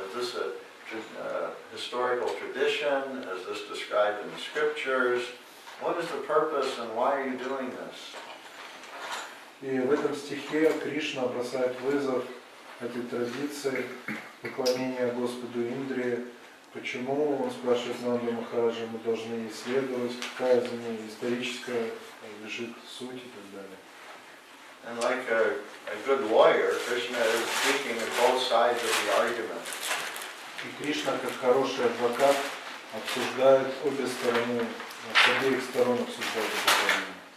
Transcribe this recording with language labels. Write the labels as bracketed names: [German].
[English] Is this a historical tradition, as this described in the scriptures? What is the purpose and why are you doing this? [Russian] И в этом стихе Кришна бросает вызов этой традиции поклонения Господу Индре. Почему, он спрашивает Нанду Махараджа, мы должны исследовать, какая за ней историческая лежит суть и так далее. [English] And like a good lawyer, Krishna is speaking on both sides of the argument. [Russian] И Кришна, как хороший адвокат, обсуждает обе стороны, с обеих сторон обсуждает эту проблему.